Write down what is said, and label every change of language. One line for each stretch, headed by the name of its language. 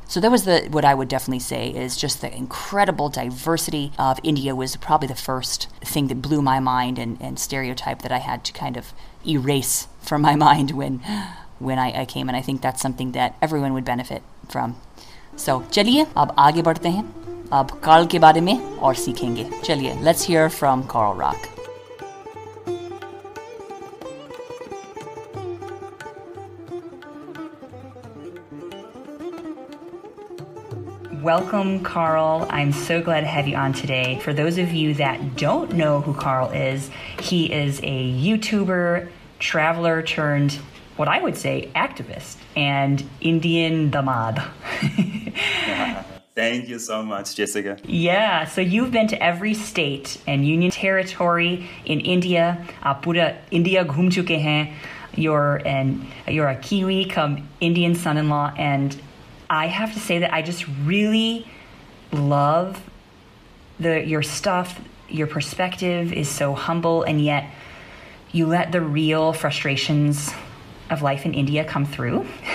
English: So that was what I would definitely say is just the incredible diversity of India was probably the first thing that blew my mind and stereotype that I had to kind of erase from my mind when I came. And I think that's something that everyone would benefit from.
Hindi: तो, चलिए, अब आगे बढ़ते हैं, अब Carl के बारे में और सीखेंगे.
English: Chaliye, let's hear from Carl Rock. Welcome, Carl. I'm so glad to have you on today. For those of you that don't know who Carl is, he is a YouTuber, traveler turned, what I would say, activist, and Indian the mob. Thank you so much, Jessica. Yeah, so you've been to every state and union territory in India.
Hindi: आप पूरा India घूम चुके हैं.
English: You're a Kiwi come Indian son-in-law, and I have to say that I just really love your stuff. Your perspective is so humble, and yet you let the real frustrations of life in India come through.